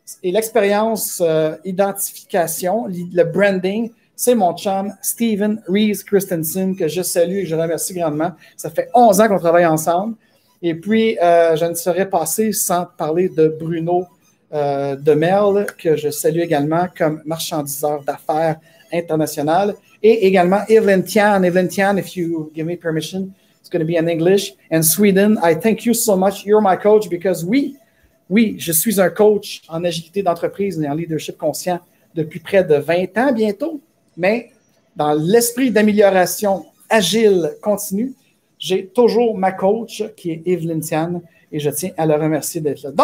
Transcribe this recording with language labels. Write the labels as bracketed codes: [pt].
[fr] Et l'expérience identification, le branding, c'est mon chum Steven Reese Christensen que je salue et je remercie grandement. Ça fait 11 ans qu'on travaille ensemble. Et puis, je ne serais passé sans parler de Bruno de Merle, que je salue également comme marchandiseur d'affaires international. Et également Evelyn Tian. [en] Evelyn Tian, if you give me permission, it's going to be in English. And Sweden, I thank you so much. You're my coach because [fr] oui, je suis un coach en agilité d'entreprise et en leadership conscient depuis près de 20 ans bientôt, mais dans l'esprit d'amélioration agile continue, j'ai toujours ma coach qui est Evelyn Tian et je tiens à le remercier d'être là.